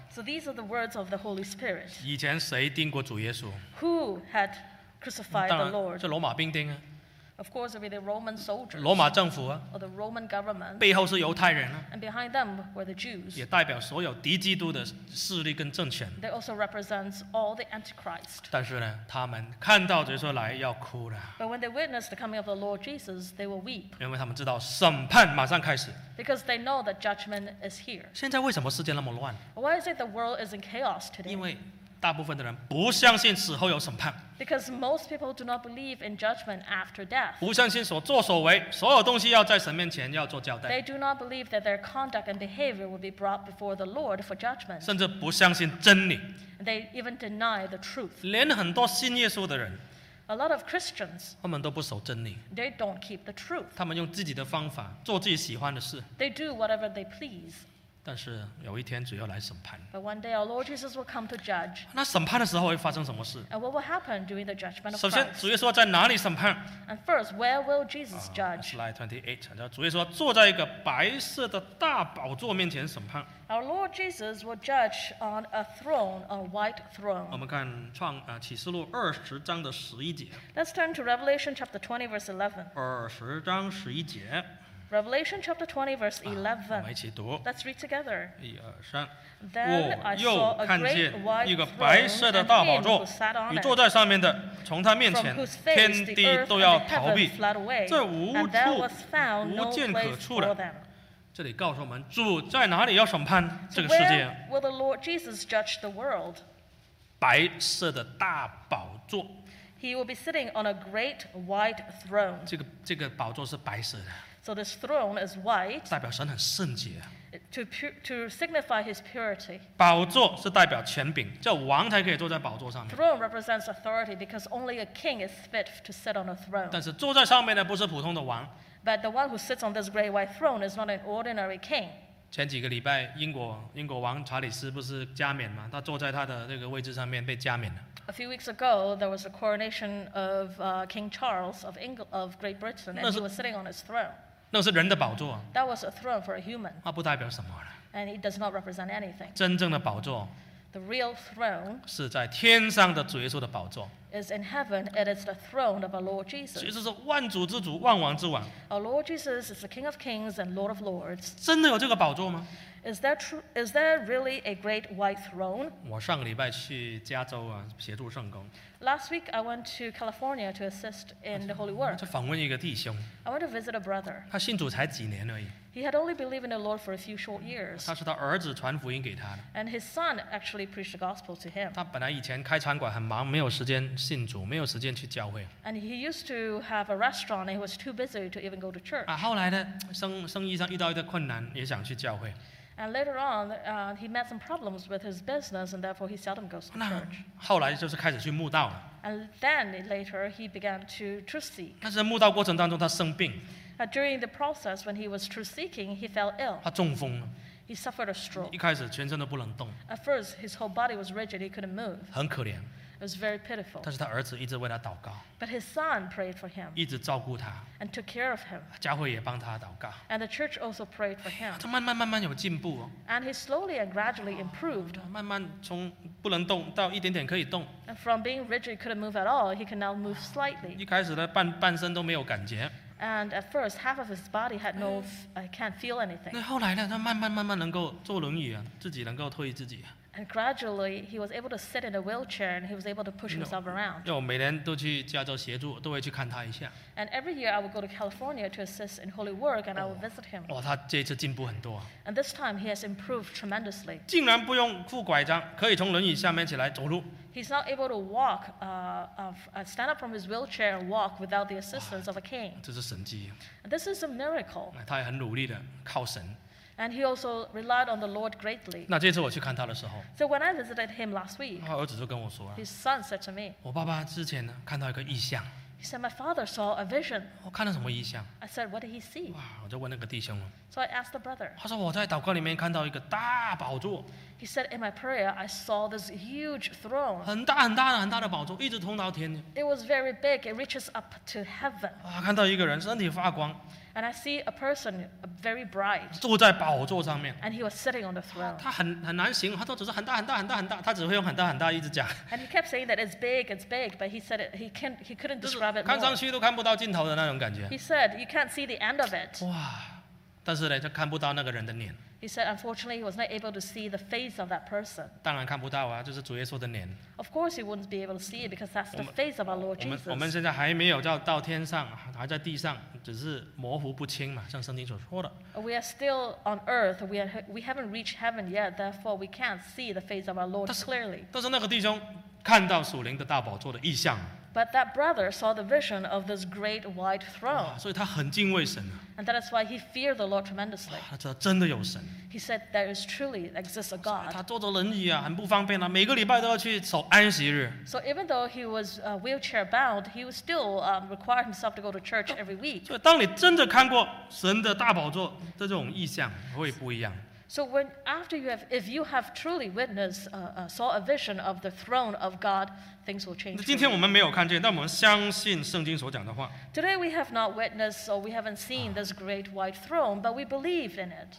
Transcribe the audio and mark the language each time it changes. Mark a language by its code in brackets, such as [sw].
[en] So these are the words of the Holy Spirit. [zh] 以前谁钉过主耶稣 [en] ？Who had crucified the Lord？ [zh] 这罗马兵丁啊。 [en] Of course, it would be the Roman soldiers. [zh] 罗马政府啊。 [en] Or the Roman government. [zh] 背后是犹太人啊。 [en] And behind them were the Jews. [zh] 也代表所有敌基督的势力跟政权。 [en] They also represents all the Antichrist. [zh] 但是呢，他们看到耶稣来要哭了。 [en] But when they witnessed the coming of the Lord Jesus, they will weep. [zh] 因为他们知道审判马上开始。 [en] Because they know that judgment is here. [zh] 现在为什么世界那么乱？ [en] Why is it the world is in chaos today? [zh] 因为大部分的人不相信死后有审判。 [en] Because most people do not believe in judgment after death. [zh] 不相信所作所为，所有东西要在神面前要做交代。 [en] They do not believe that their conduct and behavior will be brought before the Lord for judgment. [zh] 甚至不相信真理。 [en] They even deny the truth. [zh] 连很多信耶稣的人。 [en] A lot of Christians. [zh] 他们都不守真理。 [en] They don't keep the truth. [zh] 他们用自己的方法做自己喜欢的事。 [en] They do whatever they please. [zh] 但是有一天主要来审判。 [en] But one day our Lord Jesus will come to judge. [zh] 那审判的时候会发生什么事？ [en] And what will happen during the judgment of Christ? [zh] 首先，主耶稣在哪里审判？ [en] And first, where will Jesus judge? Slide 28. [zh] 主耶稣坐在一个白色的大宝座面前审判。 [en] Our Lord Jesus will judge on a throne, a white throne. [zh] 我们看启示录二十章的十一节。 [en] Let's turn to Revelation chapter 20, verse 11. [zh] 二十章十一节。 [en] Revelation chapter 20, verse 11. [zh] 我们一起读。 [en] Let's read together. [zh] 一二三。 [en] Then [zh] 我又看见一个白色的大宝座，与坐在上面的，从他面前，天地都要逃避，这无处无见可处的。这里告诉我们，主在哪里要审判这个世界？ [en] Where will the Lord Jesus judge the world? [zh] 白色的大宝座。 [en] He will be sitting on a great white throne. [zh] 这个宝座是白色的。 [en] So this throne is white. [zh] 代表神很圣洁。 [en] To signify his purity. [zh] 宝座是代表权柄，这王才可以坐在宝座上面。 [en] Throne represents authority because only a king is fit to sit on a throne. [zh] 但是坐在上面的不是普通的王。 [en] But the one who sits on this great white throne is not an ordinary king. [zh] 前几个礼拜，英国王查理斯不是加冕吗？他坐在他的那个位置上面被加冕了。 [en] A few weeks ago, there was a coronation of King Charles of Great Britain, and he was sitting on his throne. [zh] 那是人的宝座。 [en] That was a throne for a human. [zh] 那不代表什么了。 [en] And it does not represent anything. [zh] 真正的宝座。 [en] The real throne. [zh] 是在天上的主耶稣的宝座。 [en] is in heaven, it is the throne of our Lord Jesus. [zh] 所以这是万主之主，万王之王。 [en] Our Lord Jesus is the King of Kings and Lord of Lords. [zh] 真的有这个宝座吗？ [en] Is there really a great white throne? [zh] 我上个礼拜去加州啊，协助圣工。 [en] Last week I went to California to assist in the holy work. [zh] 去访问一个弟兄。 [en] I went to visit a brother. [zh] 他信主才几年而已。 [en] He had only believed in the Lord for a few short years. [zh] 他是他儿子传福音给他的。 [en] And his son actually preached the gospel to him. [zh] 他本来以前开餐馆很忙，没有时间信主，没有时间去教会。 [en] And he used to have a restaurant, and he was too busy to even go to church. [zh] 啊，后来呢，生意上遇到一个困难，也想去教会。 [en] And later on, he met some problems with his business, and therefore he seldom goes to church. [zh] 后来就是开始去慕道了。 [en] And then later, he began to truth seek. [zh] 但是在慕道过程当中，他生病。 [en] During the process, when he was truth seeking, he fell ill. [zh] 他中风了。 [en] He suffered a stroke. [zh] 一开始全身都不能动。 [en] At first, his whole body was rigid, he couldn't move. [zh] 很可怜。 [en] It was very pitiful. [zh] 但是他儿子一直为他祷告。 [en] But his son prayed for him. [zh] 一直照顾他。 [en] And took care of him. [zh] 教会也帮他祷告。 [en] And the church also prayed for him. [zh] 他慢慢有进步哦。 [en] And he slowly and gradually improved. [zh] 慢慢从不能动到一点点可以动。 [en] And from being rigid, couldn't move at all, he can now move slightly. [zh] 一开始呢，半身都没有感觉。 [en] And at first, half of his body had no, can't feel anything. [zh] 那后来呢，他慢慢能够坐轮椅啊，自己能够推自己。 [en] And gradually, he was able to sit in a wheelchair and he was able to push himself around. [zh] 因为我每年都去加州协助，都会去看他一下。 [en] And every year, I would go to California to assist in holy work and I would visit him. [zh] 哇，他这次进步很多。 [en] And this time, he has improved tremendously. [zh] 竟然不用副拐杖，可以从轮椅下面起来走路。 [en] He's now able to walk, stand up from his wheelchair and walk without the assistance of a cane. [zh] 这是神迹。 [en] And this is a miracle. [zh] 他也很努力的靠神。 [en] And he also relied on the Lord greatly. [zh] 那这次我去看他的时候, [en] so when I visited him last week, [zh] 他儿子就跟我说啊, [en] his son said to me, [zh] 我爸爸之前呢, 看到一个异象, [en] he said, my father saw a vision. [zh] 我看到什么异象? [en] I said, what did he see? [zh] 哇, 我就问那个弟兄了, [en] so I asked the brother. [zh] 他说我在祷告里面看到一个大宝座, [en] he said, in my prayer, I saw this huge throne. [zh] 很大很大的宝座, 一直通到天, [en] it was very big. It reaches up to heaven. [zh] 哇, 看到一个人身体发光, [en] and I see a person very bright. [zh] 坐在宝座上面, [en] and he was sitting on the throne. [zh] 他很难行, 他都只是很大很大很大很大, 他只会用很大很大一直讲, [en] and he kept saying that it's big, but he said it, he couldn't describe it more. [zh] 看上去都看不到尽头的那种感觉。 [en] He said, you can't see the end of it. [zh] 哇, 但是呢, 就看不到那个人的脸。 [en] He said, unfortunately, he was not able to see the face of that person. [zh] 当然看不到啊, 就是主耶稣的脸。 [en] Of course, he wouldn't be able to see it because that's the face of our Lord Jesus. [zh] 我们现在还没有到天上, 还在地上, 只是模糊不清嘛, 像圣经所说的。 [en] We are still on earth. We haven't reached heaven yet. Therefore, we can't see the face of our Lord clearly. [zh] 但是那个弟兄看到属灵的大宝座的异象。 [en] But that brother saw the vision of this great white throne. [zh] 所以他很敬畏神啊。 [en] And that is why he feared the Lord tremendously. [zh] 他知道真的有神。 [en] He said there is truly exists a God. [zh] 他坐着轮椅啊，很不方便啊， 每个礼拜都要去守安息日。 [en] So even though he was wheelchair bound, he was still required himself to go to church every week. [zh] 所以当你真的看过神的大宝座的这种异象，会不一样。 [en] So when after you have, if you have truly witnessed, saw a vision of the throne of God, things will change. [zh] 今天我们没有看见，但我们相信圣经所讲的话。 [en] Today we have not witnessed or we haven't seen this great white throne, but we believe in it.